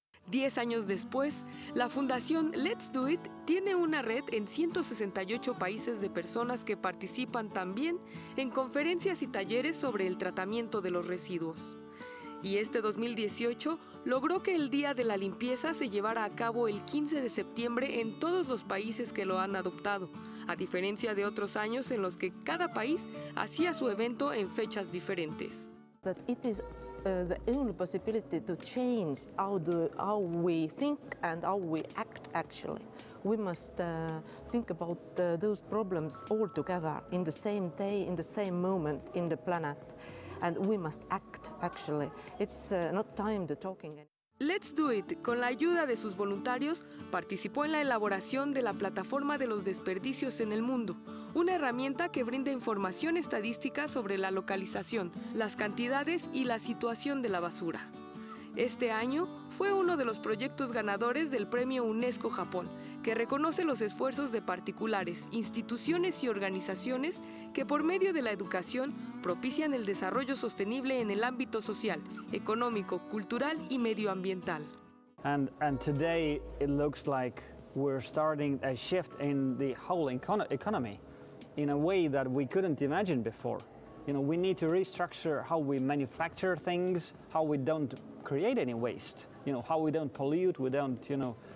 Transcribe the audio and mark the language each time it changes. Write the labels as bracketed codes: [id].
[es] 10 años después, la fundación Let's Do It tiene una red en 168 países de personas que participan también en conferencias y talleres sobre el tratamiento de los residuos. Y este 2018 logró que el Día de la Limpieza se llevara a cabo el 15 de septiembre en todos los países que lo han adoptado, a diferencia de otros años en los que cada país hacía su evento en fechas diferentes. [en] That it is the only possibility to change how we think and how we act actually. We must think about those problems all together in the same day, in the same moment in the planet. And we must act, actually. It's not time to talking. [es] Let's Do It, con la ayuda de sus voluntarios, participó en la elaboración de la Plataforma de los Desperdicios en el Mundo, una herramienta que brinda información estadística sobre la localización, las cantidades y la situación de la basura. Este año fue uno de los proyectos ganadores del Premio UNESCO Japón, que reconoce los esfuerzos de particulares, instituciones y organizaciones que por medio de la educación propician el desarrollo sostenible en el ámbito social, económico, cultural y medioambiental. [en] And today it looks like we're starting a shift in the whole economy in a way that we couldn't imagine before. You know, we need to restructure how we manufacture things, how we don't create any waste, you know, how we don't pollute, we don't, you know.